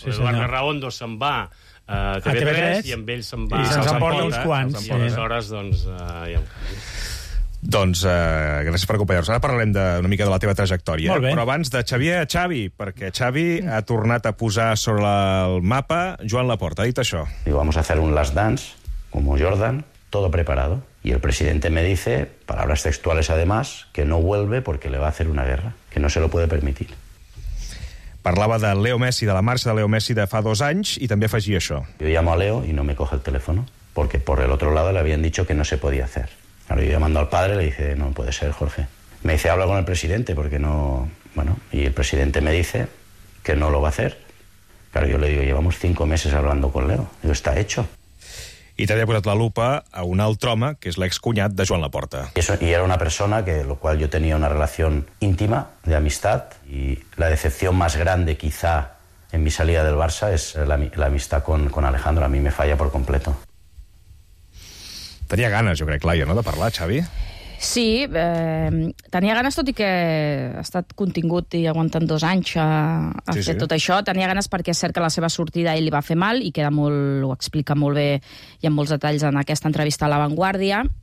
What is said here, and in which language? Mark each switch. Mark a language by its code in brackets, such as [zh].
[ca] L'Eduard Berraondo se'n va a TV3 i amb ell se'n va... I se'ns emporta uns quants. I aleshores, doncs... Doncs gràcies per acompanyar-nos. Ara parlarem una mica de la teva trajectòria. Però abans de Xavier a Xavi, perquè Xavi ha tornat a posar sobre el mapa Joan Laporta. Ha dit això. [es] Digo, vamos a hacer un [en] last dance, [es] como Jordan, todo preparado. Y el presidente me dice, palabras textuales además, que no vuelve porque le va a hacer una guerra, que no se lo puede permitir. [ca] Parlava de Leo Messi, de la marxa de Leo Messi de fa 2 anys, i també afegia això. [es] Yo llamo a Leo y no me coge el teléfono, porque por el otro lado le habían dicho que no se podía hacer. Ahora yo llamando al padre le dice, no puede ser, Jorge. Me dice, habla con el presidente, porque no... Bueno, y el presidente me dice que no lo va a hacer. Claro, yo le digo, llevamos 5 meses hablando con Leo, y está hecho. [ca] I també ha posat la lupa a un altre home, que és l'excunyat de Joan Laporta. [es] Y era una persona que lo cual yo tenía una relación íntima, de amistad, y la decepción más grande quizá en mi salida del Barça es la amistad con Alejandro. A mí me falla por completo. [ca] Tenia ganes, jo crec, Laia, no?, de parlar, Xavi. Sí, tenia ganes, tot i que ha estat contingut i aguantant 2 anys a fer tot això. Tenia ganes perquè és cert que la seva sortida a ell li va fer mal i queda molt, ho explica molt bé i amb molts detalls en aquesta entrevista a La Vanguardia.